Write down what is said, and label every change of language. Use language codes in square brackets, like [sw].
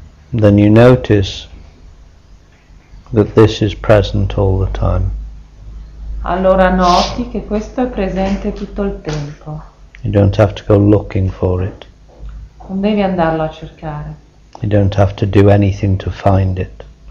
[en] then you notice that this is present all the time. [it] Allora noti che questo è presente tutto il tempo. [en] You don't have to go looking for it. [it] Non devi andarlo a cercare. [en] You don't have to do anything to find it.